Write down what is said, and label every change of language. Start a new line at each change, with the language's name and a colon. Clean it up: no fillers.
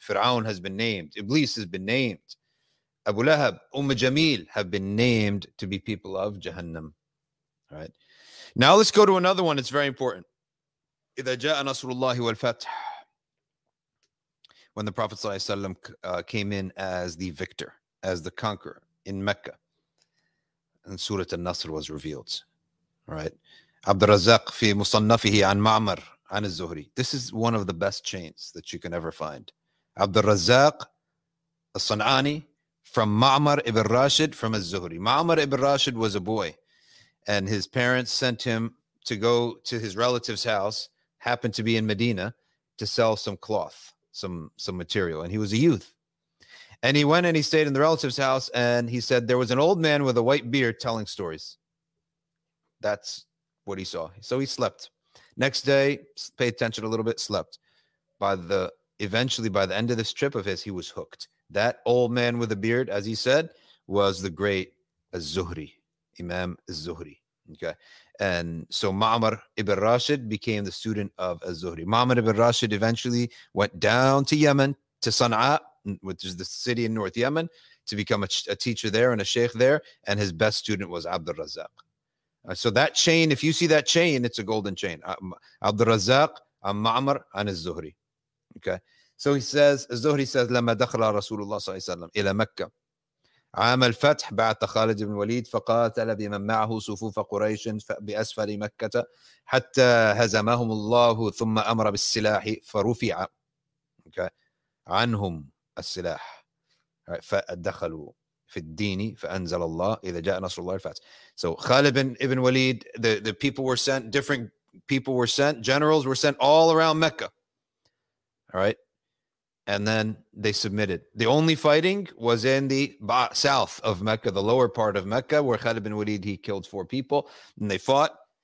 English: Fir'aun has been named. Iblis has been named. Abu Lahab, Umm Jamil have been named to be people of Jahannam. All right. Now let's go to another one. It's very important.
Arabic: إِذَا جَاءَ نَصْرُ اللَّهِ وَالْفَتْحِ.
English: When the Prophet ﷺ came in as the victor, as the conqueror in Mecca, and Surah An-Nasr was revealed. Right?
Arabic: عبد الرزاق في مصنفه عن معمر عن الزهري.
English: This is one of the best chains that you can ever find. عبد الرزاق الصنعاني from معمر ابن راشد from الزهري. معمر ابن راشد was a boy, and his parents sent him to go to his relative's house, happened to be in Medina, to sell some cloth. Some material, and he was a youth. And he went and he stayed in the relative's house, and he said there was an old man with a white beard telling stories. That's what he saw. So he slept. Next day, pay attention a little bit, slept. By the end of this trip of his, he was hooked. That old man with a beard, as he said, was the great Az-Zuhri, Imam Az-Zuhri. Okay. And so Ma'mar ibn Rashid became the student of Az-Zuhri. Ma'mar ibn Rashid eventually went down to Yemen, to Sana'a, which is the city in North Yemen, to become a teacher there and a sheikh there. And his best student was Abd al-Razzaq. So that chain, if you see that chain, it's a golden chain. Abd al-Razzaq, Ma'mar, and Az-Zuhri. Okay. So he says, Az-Zuhri says,
Arabic: لما دخل رسول الله صلى الله عليه وسلم إلى مكة عام الفتح بعث خالد بن وليد فقاتل بمن معه صفوف قريش بأسفل مكة حتى هزمهم الله ثم أمر بالسلاح فرفع عنهم السلاح فدخلوا في الدين فأنزل الله إذا جاء نصر الله الفتح.
English: So خالد بن ابن وليد, the people were sent, different people were sent, generals were sent all around Mecca. All right. And then they submitted. The only fighting was in the south of Mecca, the lower part of Mecca, where Khalid bin Walid, he killed four people, and they fought.